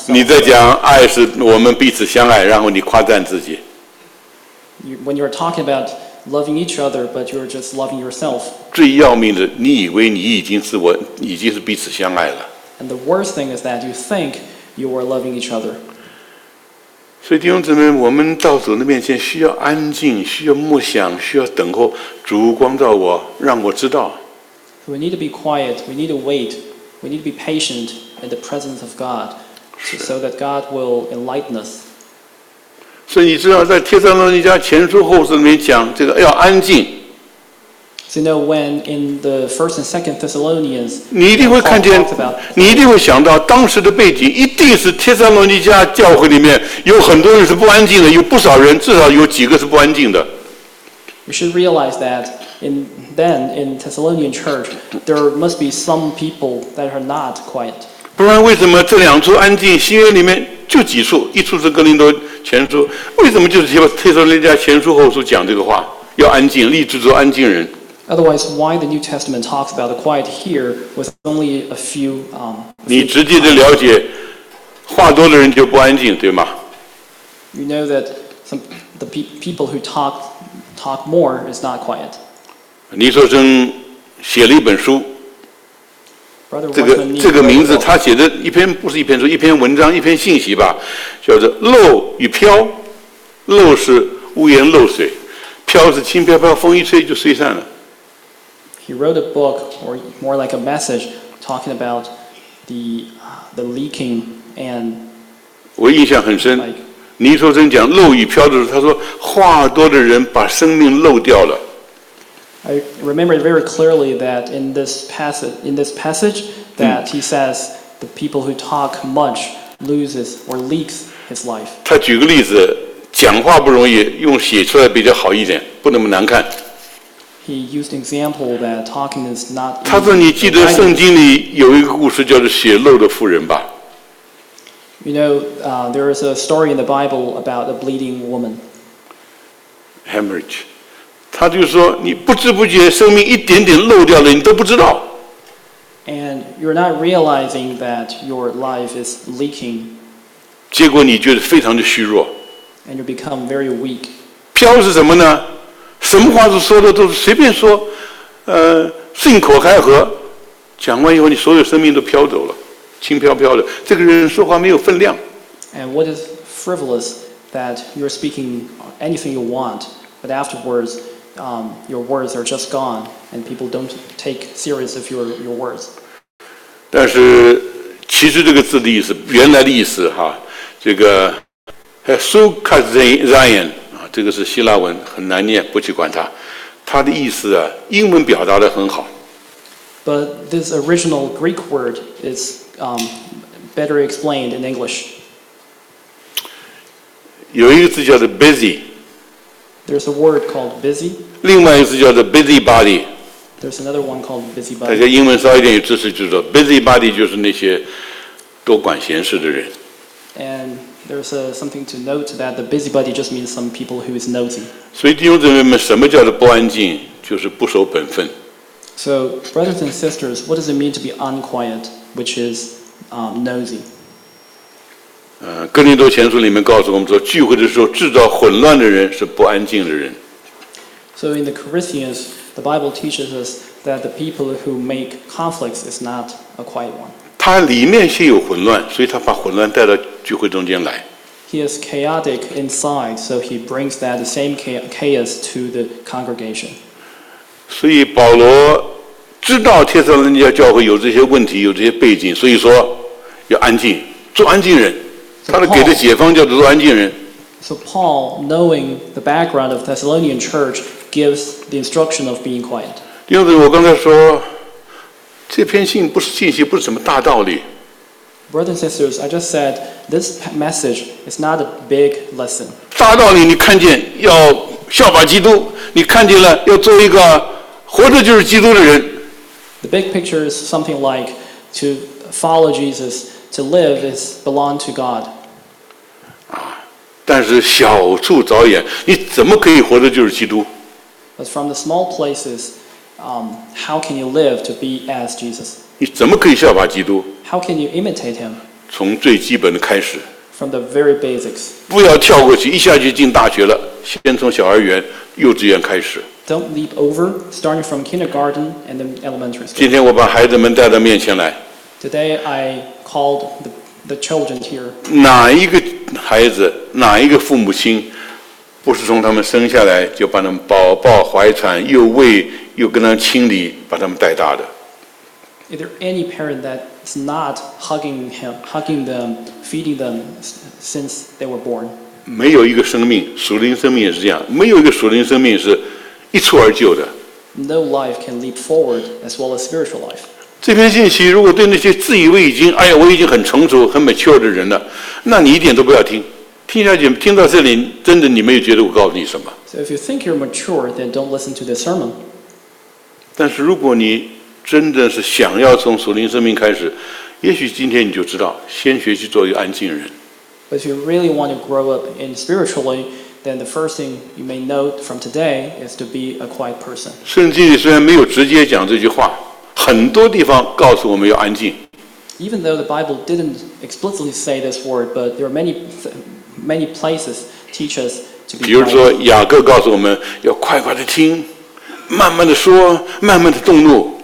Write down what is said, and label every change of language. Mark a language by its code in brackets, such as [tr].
[zh] 你在讲爱是我们彼此相爱，然后你夸赞自己。 [en] When you are talking about loving each other, but you are just loving yourself. [zh] 最要命的，你以为你已经是彼此相爱了。 [en] And the worst thing is that you think you are loving each other. [zh] 所以弟兄姊妹，我们到主的面前需要安静，需要默想，需要等候主光照我，让我知道。 [en] We need to be quiet. We need to wait. We need to be patient. In the presence of God, so that God will enlighten us. [zh] 所以你知道，在帖撒罗尼迦前书后书里面讲这个要安静。 [en] So you know when in the first and second Thessalonians, [zh] 你一定会看见，你一定会想到当时的背景，一定是帖撒罗尼迦教会里面有很多人是不安静的，有不少人，至少有几个是不安静的。 [en] You should realize that in Thessalonian church, there must be some people that are not quiet. [zh] 不然为什么这两处安静新约里面就几处一处是哥林多前书为什么就是帖撒罗尼迦前书后书讲这个话要安静立志做安静人 [en] Otherwise, why the New Testament talks about the quiet here with only a few, [zh] 你直接的了解话多的人就不安静对吗 [en] You know that the people who talk more is not quiet. [zh] 尼索森写了一本书这个名字他写的一篇不是一篇书一篇文章一篇信息吧叫做漏与飘漏是屋檐漏水飘是轻飘飘风一吹就吹散了 [en] He wrote a book or more like a message talking about the leaking and [zh] 我印象很深尼索森讲漏与飘的时候他说话多的人把生命漏掉了 [en] I remember it very clearly that in this passage that he says the people who talk much loses or leaks his life. [zh] 他举个例子，讲话不容易，用写出来比较好一点，不那么难看。 [en] He used an example that talking is not. [zh] 他说你记得圣经里有一个故事叫做血漏的妇人吧 [en] ？You know, there is a story in the Bible about a bleeding woman. Hemorrhage. [zh] 他就说你不知不觉生命一点点漏掉了你都不知道 [en] and you're not realizing that your life is leaking [zh] 结果你觉得非常的虚弱 [en] and you become very weak [zh] 飘是什么呢什么话都说的都是随便说顺口开河，讲完以后你所有生命都飘走了，轻飘飘的，这个人说话没有分量。 [en] And what is frivolous that you're speaking anything you want, but afterwards your words are just gone and people don't take serious of your words. [zh] 但是其实这个字的意思，原来的意思哈，这个 Sokazayan 这个是希腊文，很难念，不去管它。它的意思啊，英文表达得很好。 [en] But this original Greek word is better explained in English. [zh] 有一个字叫做 busy. [en] There's a word called busy. [zh] 另外一个字叫做 busybody. [en] There's another one called busybody. [zh] 大家英文稍一点有知识就说 busybody 就是那些多管闲事的人。 [en] And there's something to note that the busybody just means some people who is nosy. [zh] 所以弟兄姊妹们，什么叫做不安静？就是不守本分。 [en] So, brothers and sisters, what does it mean to be unquiet, which is nosy? [zh] 哥林多前书里面告诉我们说，聚会的时候制造混乱的人是不安静的人。 [en] So in the Corinthians, the Bible teaches us that the people who make conflicts is not a quiet one. [zh] 他里面先有混乱，所以他把混乱带到聚会中间来。 [en] He is chaotic inside, so he brings that same chaos to the congregation. [zh] 所以保罗知道帖撒罗尼迦教会有这些问题，有这些背景，所以说要安静，做安静人。他的给的解方叫做做安静人。 [en] So Paul, knowing the background of Thessalonian church, gives the instruction of being quiet. [zh] 第二个，我刚才说这篇信不是信息，不是什么大道理。 [en] Brothers and sisters, I just said this message is not a big lesson. [zh] 大道理你看见要效法基督，你看见了要做一个活着就是基督的人。 [en] The big picture is something like to follow Jesus, to live is belong to God. [zh] 但是小处着眼，你怎么可以活着就是基督？ [en] But from the small places, how can you live to be as Jesus? [zh] 你怎么可以效法基督？ [en] How can you imitate him? [zh] 从最基本的开始。 [en] From the very basics. [zh] 不要跳过去，一下就进大学了。先从小儿园、幼稚园开始。 [en] Don't leap over, starting from kindergarten and then elementary school. [zh] 今天我把孩子们带到面前来。 [en] Today I called the children here. [zh] 哪一个孩子，哪一个父母亲，不是从他们生下来就把他们抱抱怀产，又喂又跟他们清理，把他们带大的 [en] ？Is there any parent that is not hugging him, hugging them, feeding them since they were born? [zh] 没有一个生命，属灵生命也是这样，没有一个属灵生命是一蹴而就的。 [en] No life can leap forward as well as spiritual life. [zh] 这篇信息如果对那些自以为已经，哎呀，我已经很成熟、很 mature 的人了，那你一点都不要听。听下去，听到这里，真的你没有觉得我告诉你什么。 [en] So if you think you're mature, then don't listen to the sermon. [zh] 但是如果你真的是想要从属灵生命开始，也许今天你就知道，先学习做一个安静人。 [en] But if you really want to grow up in spiritually, then the first thing you may note from today is to be a quiet person. [zh] 圣经里虽然没有直接讲这句话，很多地方告诉我们要安静。 [en] Even though the Bible didn't explicitly say this word, but there are many places teach us to be quiet. [zh] 比如说雅各告诉我们要快快地听，慢慢地说，慢慢地动怒。